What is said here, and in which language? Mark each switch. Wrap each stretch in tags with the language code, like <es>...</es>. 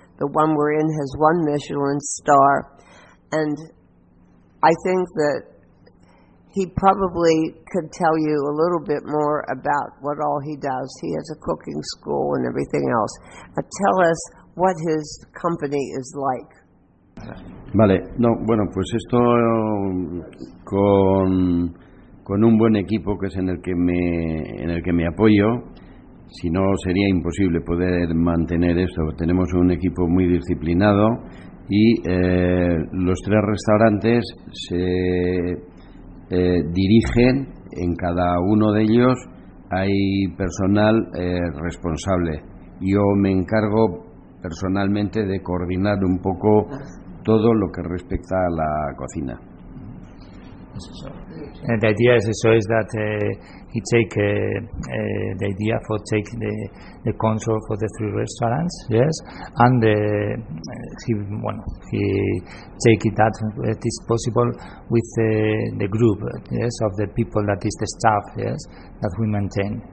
<en>The one we're in has one Michelin star. And I think that he probably could tell you a little bit more about what all he does. He has a cooking school and everything else. Tell us what his company is like.</en> <es>Vale, no, bueno, pues esto con un buen equipo que es en el que me apoyo. Si no, sería imposible poder mantener esto. Tenemos un equipo muy disciplinado y los tres restaurantes se dirigen, en cada uno de ellos hay personal responsable. Yo me encargo personalmente de coordinar un poco todo lo que respecta a la cocina.</es> <en>And the idea is so is that he take the idea for take the control for the three restaurants, yes, and he take it that it is possible with the group, yes, of the people that is the staff, yes, that we maintain.</en>